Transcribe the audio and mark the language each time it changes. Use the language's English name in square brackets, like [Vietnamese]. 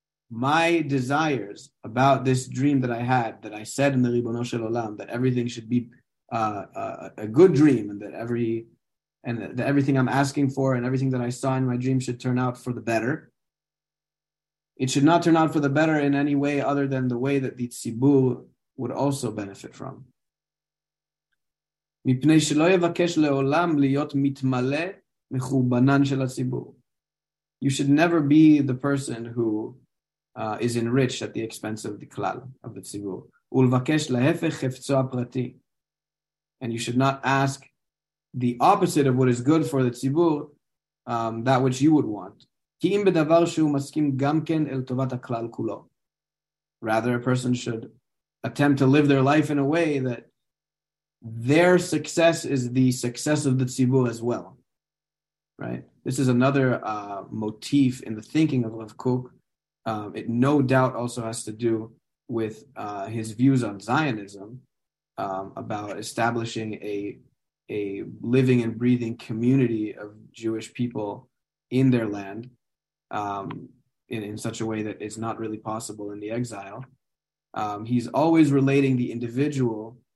[English] My desires about this dream that I had, that I said in the Ribono Shel Olam, that everything should be a good dream, and that that everything I'm asking for and everything that I saw in my dream should turn out for the better. It should not turn out for the better in any way other than the way that the tzibur would also benefit from. [Hebrew] מפני שלא יבקש לעולם להיות מתמלא מחורבנן של הציבור. [English] You should never be the person who is enriched at the expense of the klal, of the tzibur. [Hebrew] ולבקש להפך חפצו הפרטי. [English] And you should not ask the opposite of what is good for the tzibur, that which you would want. [Hebrew] כי אם בדבר שהוא מסכים גם כן אל טובת הכלל כולו. [English] Rather, a person should attempt to live their life in a way that their success is the success of the tzibur as well, right? This is another motif in the thinking of Rav Kook. It no doubt also has to do with his views on Zionism, about establishing a living and breathing community of Jewish people in their land, in such a way that it's not really possible in the exile. He's always relating the individual